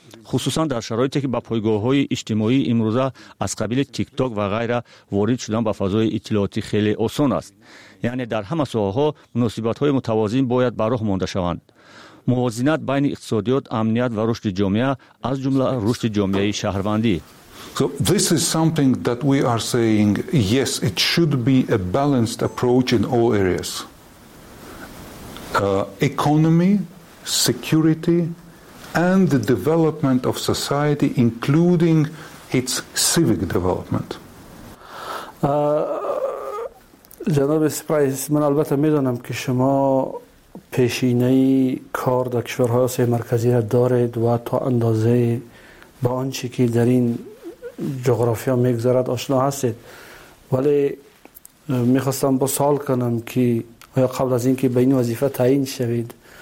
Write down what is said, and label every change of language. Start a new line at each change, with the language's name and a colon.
Persian: خصوصا در شرایطی که با پایگاه های اجتماعی امروزه از قبیل تیک تاک و غیره وارد شدن به فضای اطلاعاتی خیلی آسان است. یعنی در همه ساحه‌ها مناسبت های متوازن باید براه مانده شوند. موازنت بین اقتصادیات، امنیت و رشد جامعه از جمله رشد جامعه شهروندی.
English: So this is something that we are saying, yes, it should be a balanced approach in all areas. Economy, security and the development of society, including its civic development.
Persian: جناب سپرایز، من البته میدونم که شما پیشینه کار در کشورهای آسیای مرکزی را دارید و تا اندازه با آنچه که در این جغرافیا میگذرد آشنا هستید، ولی میخواستم با سوال کنم که آیا قبل از اینکه به این وظیفه تعیین شوید